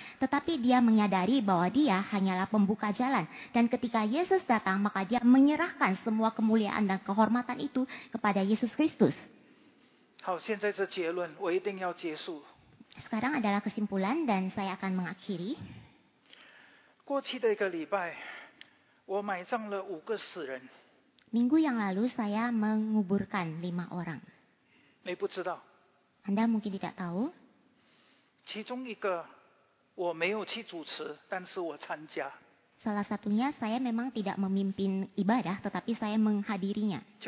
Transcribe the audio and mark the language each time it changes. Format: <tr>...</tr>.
<id>Tetapi dia menyadari bahwa dia hanyalah pembuka jalan. Dan ketika Yesus datang, maka dia menyerahkan semua kemuliaan dan kehormatan itu kepada Yesus Kristus.</id> <zh>好，现在是结论，我一定要结束。</zh> <id>Sekarang adalah kesimpulan dan saya akan mengakhiri.</id> <zh>过去的一个礼拜，我埋葬了五个死人。</zh> <id>Minggu yang lalu saya menguburkan 5 orang.</id> <zh>你不知道。</zh> <id>Anda mungkin tidak tahu.</id> <zh>其中一个我没有去主持，但是我参加。</zh> <id>Salah satunya saya memang tidak memimpin ibadah, tetapi saya menghadirinya.</id>